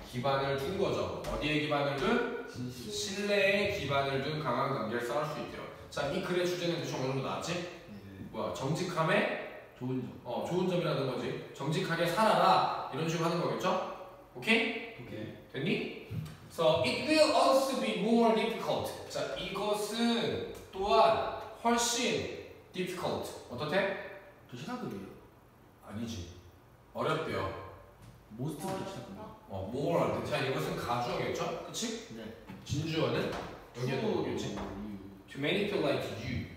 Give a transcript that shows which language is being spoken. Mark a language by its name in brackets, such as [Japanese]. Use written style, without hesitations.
[Korean] 기반을 둔 거죠. 어디에 기반을 둔? 진실. 신뢰에 기반을 둔 강한 관계를 쌓을 수 있대요. 자, 이 글의 주제는 대충 어느 정도 나왔지? 네. 뭐야? 정직함의 좋은 점. 어, 좋은 점이라는 거지. 정직하게 살아라. 이런 식으로 하는 거겠죠? 오케이? 오케이. 됐니? [English] So it will also be more difficult. [Korean] 자, 이것은 또한 훨씬 difficult. 어떻대? 도착급이에요. 아니지. 어렵대요. Most 도착급. 어, more 할 때. 자, 이것은 가중하겠죠? 그치? 네. 진주어는? 여기에도 있지? To manipulate you.